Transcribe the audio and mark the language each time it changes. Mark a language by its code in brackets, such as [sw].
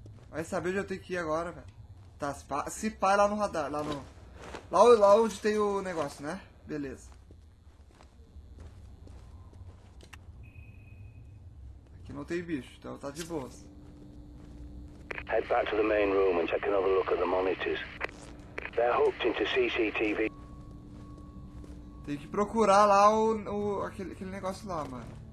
[pt] Vai saber onde eu tenho que ir agora, velho. Tá, se pá lá no radar, lá no... Lá onde tem o negócio, né? Beleza. Aqui não tem bicho, então tá de boas. [en] Head back to the main room and take another look at the monitors. They're hooked into CCTV. [pt] Tem que procurar lá aquele negócio lá, mano.